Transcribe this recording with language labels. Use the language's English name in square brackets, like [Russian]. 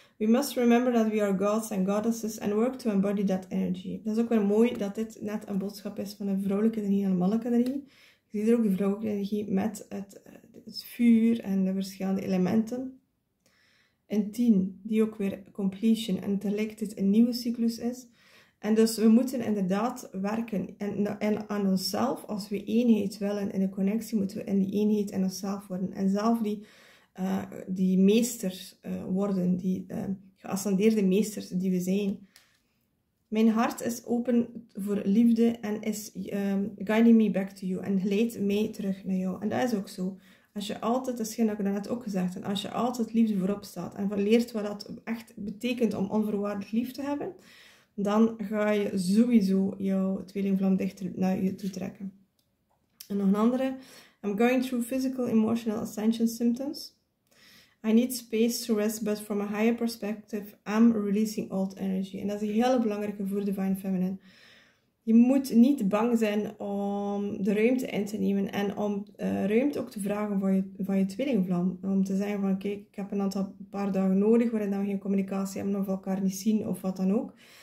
[English] We must remember that we are gods and goddesses and work to embody that energy. [Dutch] Dat is ook wel mooi dat dit net een boodschap is van een vrouwelijke energie en een mannelijke energie. Je ziet er ook de vrouwelijke energie met het vuur en de verschillende elementen. En 10, die ook weer completion en tegelijkertijd een nieuwe cyclus is. En dus we moeten inderdaad werken en aan onszelf. Als we eenheid willen in een connectie, moeten we in die eenheid en onszelf worden. En zelf die meesters worden, die geascendeerde meesters die we zijn. Mijn hart is open voor liefde en is [English] guiding me back to you. [Dutch] En leidt mij terug naar jou. En dat is ook zo. Als je altijd, dat is hetgeen dat ik daarnet ook gezegd heb, als je altijd liefde voorop staat en leert wat dat echt betekent om onvoorwaardelijk lief te hebben, dan ga je sowieso jouw tweelingvlam dichter naar je toe trekken. En nog een andere. [English] I'm going through physical emotional ascension symptoms. I need space to rest, but from a higher perspective, I'm releasing old energy. [Dutch] En dat is een hele belangrijke voor Divine Feminine. Je moet niet bang zijn om de ruimte in te nemen en om ruimte ook te vragen van je tweelingvlam. Om te zeggen van, kijk, ik heb een aantal paar dagen nodig waarin we geen communicatie hebben of elkaar niet zien of wat dan ook.